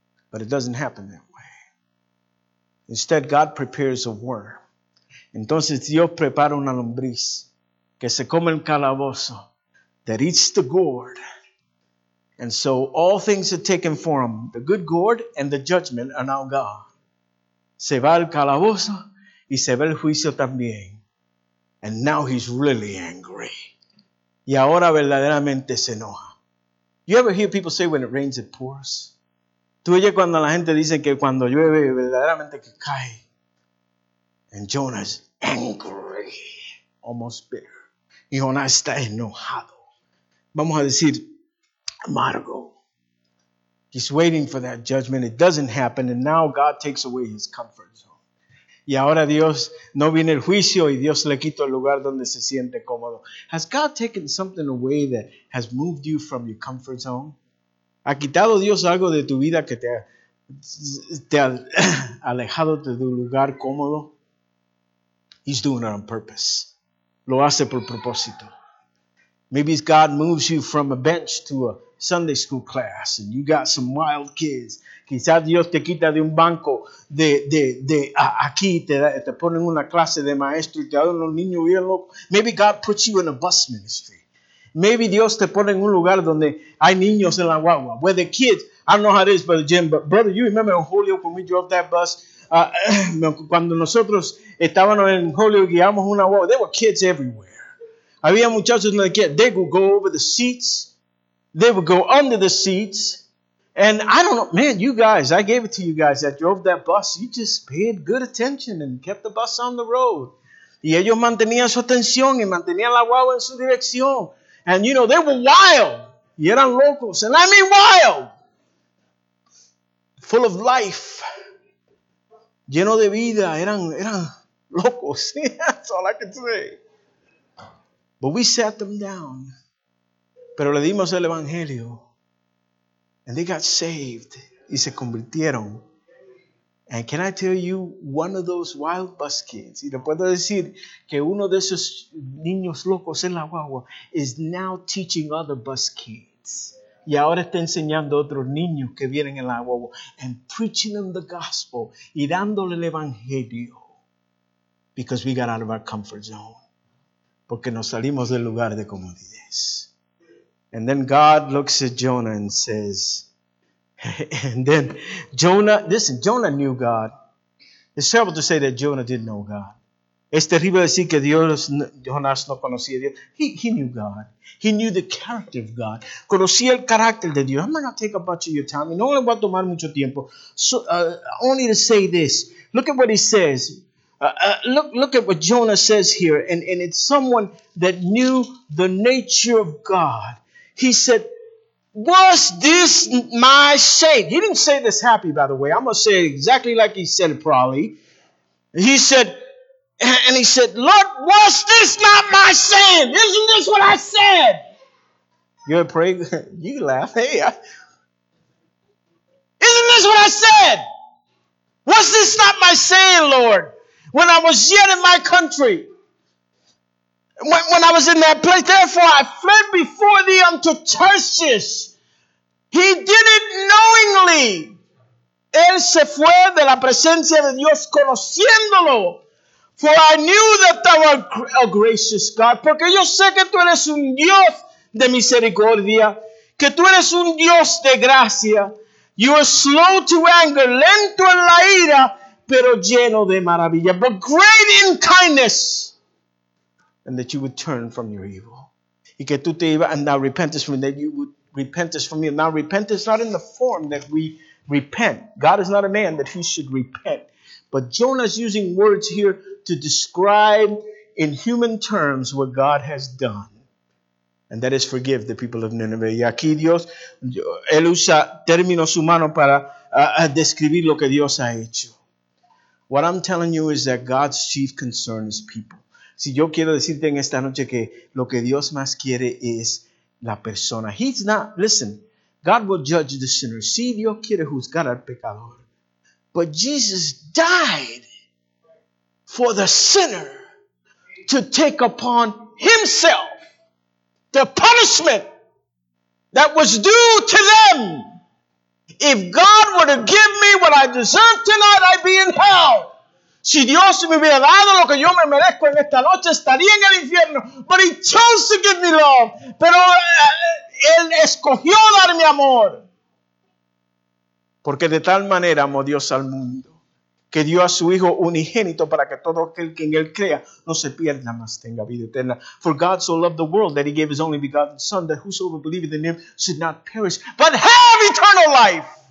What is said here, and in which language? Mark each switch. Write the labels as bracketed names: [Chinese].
[English] But it doesn't happen that way. Instead, God prepares a worm. [Spanish] Entonces Dios prepara una lombriz que se come el calabozo, [English] that eats the gourd. And so all things are taken for him. The good gourd and the judgment are now gone. [Spanish] Se va el calabozo y se va el juicio también. [English] And now he's really angry. [Spanish] Y ahora verdaderamente se enoja. [English] You ever hear people say, when it rains, it pours? [Spanish] Tú oyes cuando la gente dice que cuando llueve, verdaderamente que cae. [English] And Jonah's angry, almost bitter. [Spanish] Y Jonah está enojado. Vamos a decir, amargo. [English] He's waiting for that judgment. It doesn't happen. And now God takes away his comfort zone. [Spanish] Y ahora Dios, no viene el juicio y Dios le quita el lugar donde se siente cómodo. [English] Has God taken something away that has moved you from your comfort zone? [Spanish] ¿Ha quitado Dios algo de tu vida que te ha alejado de tu lugar cómodo? [English] He's doing it on purpose. [Spanish] Lo hace por propósito. [English] Maybe God moves you from a bench to a Sunday school class and you got some wild kids. [Spanish] Quizás Dios te quita de un banco de aquí te ponen una clase de maestro y te dan unos niños bien locos. [English] Maybe God puts you in a bus ministry. Maybe [Spanish] Dios te pone en un lugar donde hay niños en la guagua. [English] Where the kids, I don't know how it is, Brother Jim, but brother, you remember in Holyoke when we drove that bus? [Spanish] Cuando nosotros estábamos en Holyoke, guiamos una guagua. [English] There were kids everywhere. [Spanish] Había muchachos en la guagua. [English] They would go over the seats. They would go under the seats. And I don't know, man, you guys, I gave it to you guys that drove that bus. You just paid good attention and kept the bus on the road. [Spanish] Y ellos mantenían su atención y mantenían la guagua en su dirección. [English] And, you know, they were wild. [Spanish] Y eran locos. [English] And I mean wild. Full of life. [Spanish] Lleno de vida. Eran locos. [English] That's all I can say. But we sat them down. [Spanish] Pero le dimos el evangelio. [English] And they got saved. [Spanish] Y se convirtieron. [English] And can I tell you, one of those wild bus kids, [Spanish] y le puedo decir que uno de esos niños locos en la guagua [English] is now teaching other bus kids. [Spanish] Y ahora está enseñando a otros niños que vienen en la guagua [English] and preaching them the gospel [Spanish] y dándole el evangelio [English] because we got out of our comfort zone. [Spanish] Porque nos salimos del lugar de comodidad. [English] And then God looks at Jonah and says, and then Jonah, listen, Jonah knew God. It's terrible to say that Jonah didn't know God. [Spanish] Es terrible decir que Jonás no conocía a Dios. [English] He knew God. He knew the character of God. [Spanish] Conocía el carácter de Dios. [English] I'm not going to take a bunch of your time. [Spanish] No le voy a tomar mucho tiempo. [English] So, only to say this. Look at what he says. Look at what Jonah says here. And it's someone that knew the nature of God. He said, Was this my shame? He didn't say this happy, by the way. I'm going to say it exactly like he said it probably. He said, and he said, Lord, was this not my sin? Isn't this what I said? You're praying. You laugh. Hey. Isn't this what I said? Was this not my sin, Lord, when I was yet in my country? When I was in that place, therefore I fled before thee unto Tarsus. He did it knowingly. [Spanish] Él se fue de la presencia de Dios conociéndolo. [English] For I knew that thou art a gracious God. [Spanish] Porque yo sé que tú eres un Dios de misericordia. Que tú eres un Dios de gracia. [English] You are slow to anger, [Spanish] lento en la ira, pero lleno de maravilla. [English] But great in kindness. And that you would turn from your evil. [Spanish] Y que tú te ibas, [English] and thou repentest from that you would repentest from evil. Now repentest not in the form that we repent. God is not a man that he should repent. But Jonah's using words here to describe in human terms what God has done. And that is forgive the people of Nineveh. [Spanish] Y aquí Dios, él usa términos humanos para describir lo que Dios ha hecho. [English] What I'm telling you is that God's chief concern is people. [Spanish] Si yo quiero decirte en esta noche que lo que Dios más quiere es la persona. [English] He's not, listen, God will judge the sinner. [Spanish] Si Dios quiere juzgar al pecador. [English] But Jesus died for the sinner to take upon himself the punishment that was due to them. If God were to give me what I deserve tonight, I'd be in hell. [Spanish] Si Dios me hubiera dado lo que yo me merezco en esta noche, estaría en el infierno. [English] But he chose to give me love. [Spanish] Pero él escogió darme amor. Porque de tal manera amó Dios al mundo, que dio a su Hijo unigénito para que todo aquel que en él crea no se pierda, mas tenga vida eterna. [English] For God so loved the world that he gave his only begotten Son, that whosoever believeth in him should not perish, but have eternal life.